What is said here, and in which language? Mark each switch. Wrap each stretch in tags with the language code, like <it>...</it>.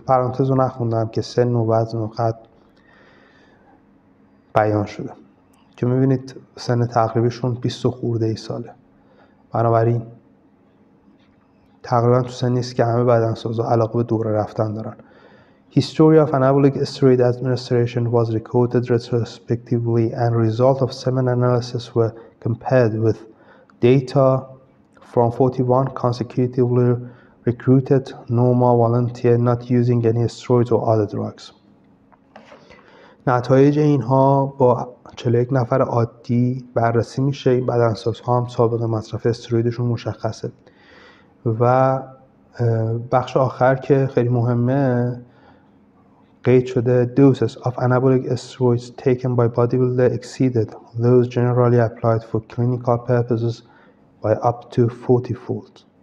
<fa>تو پرانتز رو نخوندم که سن و وزن و قد بیان شده. که می‌بینید سن تقریبشون 20 خورده ای ساله. بنابراین تقریبا تو سنی است که همه بدنساز ها علاقه به دوره رفتن دارن.</fa> <en>History of anabolic steroid administration was recorded retrospectively and results of seven analysis were compared with data from 41 consecutively recruited normal volunteer not using any steroids or other drugs.</en> <fa>نتایج اینها با 41 نفر عادی بررسی میشه. این بدنساز ها هم سابقه مصرف استرویدشون مشخصه. و بخش آخر که خیلی مهمه قید شده،</fa> <en>doses of anabolic steroids taken by bodybuilder exceeded those generally applied for clinical purposes by up to 40-fold.</en>